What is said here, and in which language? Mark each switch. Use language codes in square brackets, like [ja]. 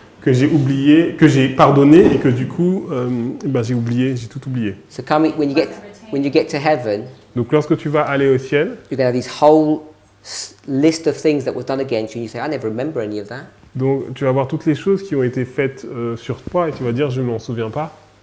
[fr] que j'ai oublié, que j'ai pardonné et que du coup, j'ai oublié, j'ai tout oublié. [en] So come when you get to heaven. [fr] Donc lorsque tu vas aller au ciel, [en] you're gonna have this whole list of things that was done against you, and you say, I never remember any of that. [fr] Donc tu vas voir toutes les choses qui ont été faites sur toi et tu vas dire, je m'en souviens pas.